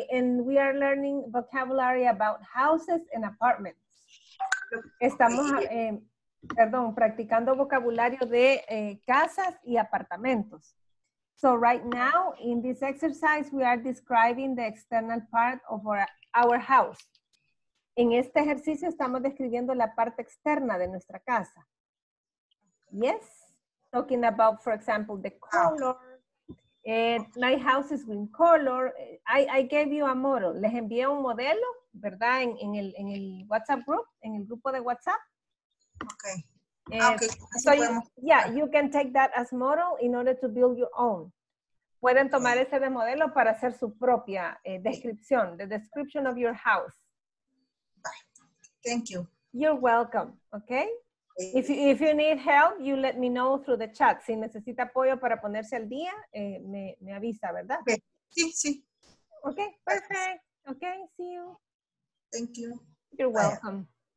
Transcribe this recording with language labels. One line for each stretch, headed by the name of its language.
English: And we are learning vocabulary about houses and apartments.
Spanish: Estamos, perdón, practicando vocabulario de casas y apartamentos.
English: So right now, in this exercise, we are describing the external part of our house.
Spanish: En este ejercicio estamos describiendo la parte externa de nuestra casa.
English: Yes? Talking about, for example, the color. My house is green color. I gave you a model.
Spanish: Les envié un modelo, ¿verdad? En el WhatsApp group, en el grupo de WhatsApp.
English: Okay. So you can take that as model in order to build your own.
Spanish: Pueden tomar ese de modelo para hacer su propia descripción,
English: the description of your house. Thank you. You're welcome, okay? If you need help, you let me know through the chat.
Spanish: Si necesita apoyo para ponerse al día, me avisa, ¿verdad? Okay. Sí, sí.
English: Okay, perfect. Okay, see you. Thank you. You're welcome. Bye.